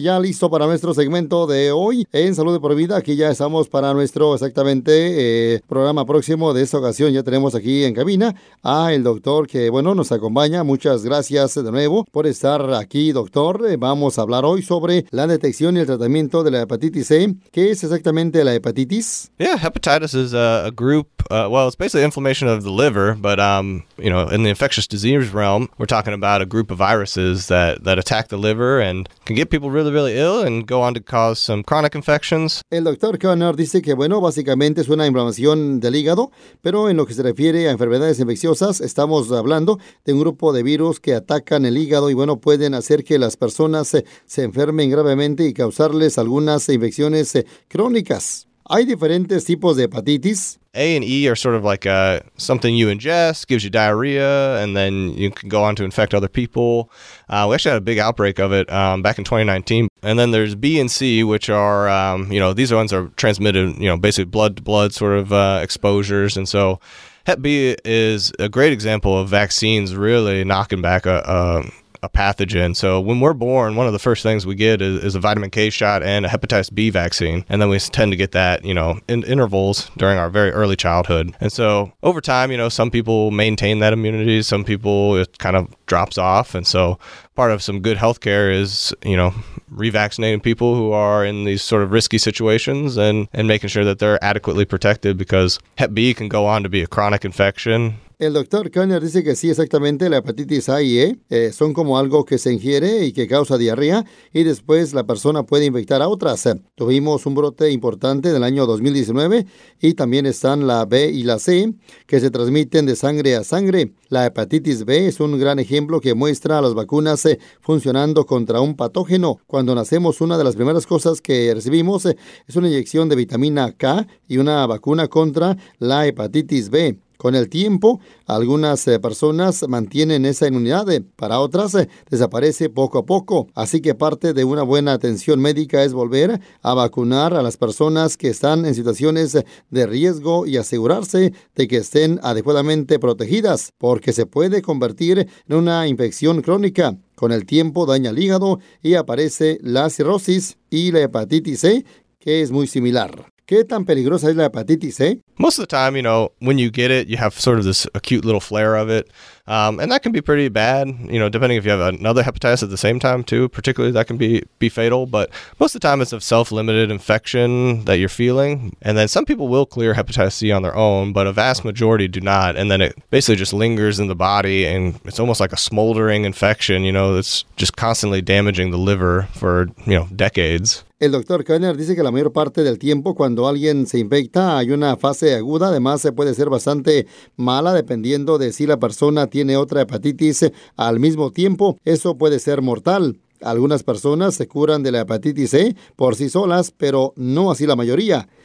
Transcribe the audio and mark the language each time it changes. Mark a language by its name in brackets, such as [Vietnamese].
[Spanish] Ya listo para nuestro segmento de hoy en Salud de por Vida. Aquí ya estamos para nuestro exactamente programa próximo de esta ocasión. Ya tenemos aquí en cabina a el doctor que, bueno, nos acompaña. Muchas gracias de nuevo por estar aquí, doctor. Vamos a hablar hoy sobre la detección y el tratamiento de la hepatitis C. ¿Qué es exactamente la hepatitis? [English] Yeah, hepatitis is a group. Well, it's basically inflammation of the liver, but you know, in the infectious disease realm, we're talking about a group of viruses that attack the liver and can get people really, really ill and go on to cause some chronic infections. [Spanish] El doctor Conner dice que, bueno, básicamente es una inflamación del hígado, pero en lo que se refiere a enfermedades infecciosas, estamos hablando de un grupo de virus que atacan el hígado y, bueno, pueden hacer que las personas se enfermen gravemente y causarles algunas infecciones crónicas. Hay diferentes tipos de hepatitis. [English] A and E are sort of like something you ingest, gives you diarrhea, and then you can go on to infect other people. We actually had a big outbreak of it back in 2019. And then there's B and C, which are, you know, these ones are transmitted, you know, basically blood-to-blood sort of exposures. And so Hep B is a great example of vaccines really knocking back a pathogen. So when we're born, one of the first things we get is a vitamin K shot and a hepatitis B vaccine. And then we tend to get that, you know, in intervals during our very early childhood. And so over time, you know, some people maintain that immunity, some people it kind of drops off. And so part of some good healthcare is, you know, revaccinating people who are in these sort of risky situations and making sure that they're adequately protected, because Hep B can go on to be a chronic infection. [Spanish] El doctor Conner dice que sí, exactamente, la hepatitis A y E son como algo que se ingiere y que causa diarrea y después la persona puede infectar a otras. Tuvimos un brote importante en el año 2019 y también están la B y la C, que se transmiten de sangre a sangre. La hepatitis B es un gran ejemplo que muestra a las vacunas funcionando contra un patógeno. Cuando nacemos, una de las primeras cosas que recibimos es una inyección de vitamina K y una vacuna contra la hepatitis B. Con el tiempo, algunas personas mantienen esa inmunidad, para otras desaparece poco a poco. Así que parte de una buena atención médica es volver a vacunar a las personas que están en situaciones de riesgo y asegurarse de que estén adecuadamente protegidas, porque se puede convertir en una infección crónica. Con el tiempo daña el hígado y aparece la cirrosis y la hepatitis C, que es muy similar. ¿Qué tan peligrosa es la hepatitis, eh? [English] Most of the time, you know, when you get it, you have sort of this acute little flare of it. And that can be pretty bad, you know, depending if you have another hepatitis at the same time too, particularly that can be fatal. But most of the time it's a self-limited infection that you're feeling. And then some people will clear hepatitis C on their own, but a vast majority do not. And then it basically just lingers in the body and it's almost like a smoldering infection, you know, that's just constantly damaging the liver for, you know, decades. [Spanish] El doctor Conner dice que la mayor parte del tiempo cuando alguien se infecta hay una fase aguda, además se puede ser bastante mala dependiendo de si la persona tiene otra hepatitis al mismo tiempo, eso puede ser mortal. Algunas personas se curan de la hepatitis C por sí solas, pero no así la mayoría.